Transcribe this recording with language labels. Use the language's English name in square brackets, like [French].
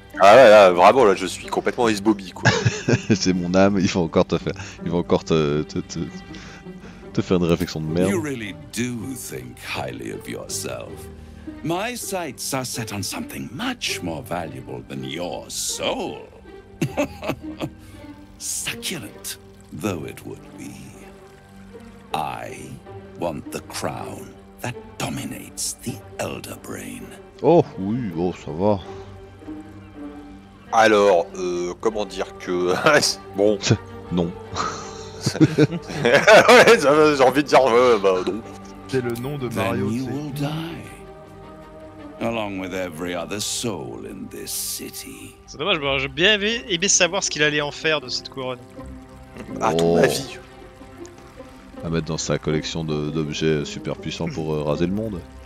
[French] Ah ouais, là, vraiment, là, je suis complètement isbobby, quoi. C'est mon âme, ils vont encore te faire une réflexion de merde. [English] You really do think highly of yourself. My sights are set on something much more valuable than your soul. Succulent, though it would be. I want the crown that dominates the Elder Brain. [French] Oh oui, oh ça va. Alors, comment dire que... bon... Non. Ouais, j'ai envie de dire... non. C'est le nom de Mario. [English] Then you will die. Along with every other soul in this city. [French] C'est dommage, bon, j'ai bien aimé savoir ce qu'il allait en faire de cette couronne. À ton avis. À mettre dans sa collection d'objets super puissants pour raser le monde.